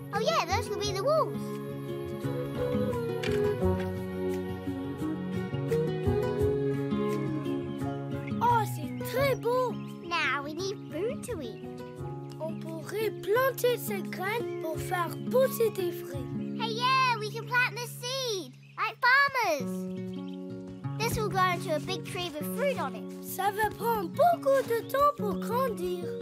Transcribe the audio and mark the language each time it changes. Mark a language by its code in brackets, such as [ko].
[en] Oh, yeah, those will be the walls. Now we need food to eat. [fr] On pourrait planter ces graines pour faire pousser des fruits. [en] Hey, yeah, we can plant the seed, like farmers. This will grow into a big tree with fruit on it. [fr] Ça va prendre beaucoup de temps pour grandir.